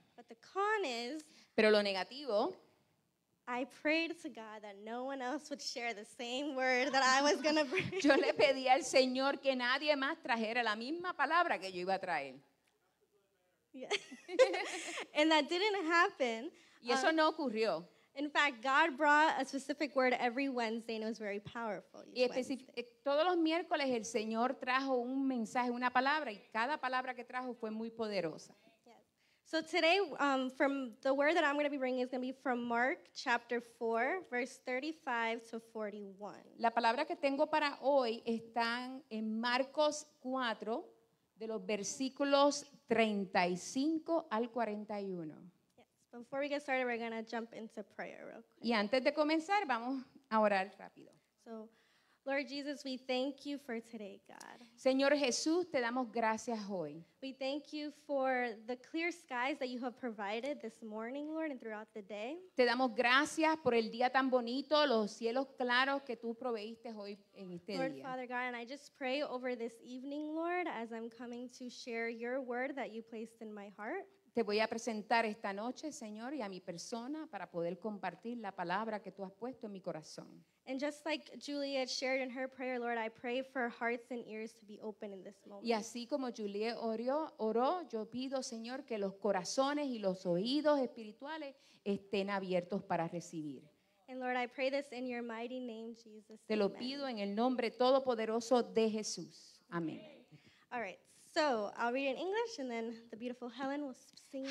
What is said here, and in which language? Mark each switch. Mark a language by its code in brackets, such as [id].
[en] But the con is, [es] pero lo negativo, [en] I prayed to God that no one else would share the same word that I was going to bring. [es] Yo le pedí al Señor que nadie más trajera la misma palabra que yo iba a traer. [en] Yeah. And that didn't happen. [es] Y eso no ocurrió. [en] In fact, God brought a specific word every Wednesday, and it was very powerful. [es] Y todos los miércoles el Señor trajo un mensaje, una palabra, y cada palabra que trajo fue muy poderosa. [en] So today, from the word that I'm going to be bringing is going to be from Mark chapter 4, verse 35 to 41. [es] La palabra que tengo para hoy está en Marcos 4, de los versículos 35 al 41. [en] Yes. Before we get started, we're going to jump into prayer real quick. [es] Y antes de comenzar, vamos a orar rápido. [en] So, Lord Jesus, we thank you for today, God. [es] Señor Jesús, te damos gracias hoy. [en] We thank you for the clear skies that you have provided this morning, Lord, and throughout the day. [es] Te damos gracias por el día tan bonito, los cielos claros que tú proveíste hoy en este [en] Lord, [es] día. [en] Lord, Father God, and I just pray over this evening, Lord, as I'm coming to share your word that you placed in my heart. [es] Te voy a presentar esta noche, Señor, y a mi persona para poder compartir la palabra que tú has puesto en mi corazón. [en] And just like Juliet shared in her prayer, Lord, I pray for hearts and ears to be open in this moment. [es] Y así como Juliet oró, yo pido, Señor, que los corazones y los oídos espirituales estén abiertos para recibir. [en] And Lord, I pray this in your mighty name, Jesus. [es] Te lo pido en el nombre todopoderoso de Jesús. Amén. [en] All right. So I'll read in English and then the beautiful Helen will sing.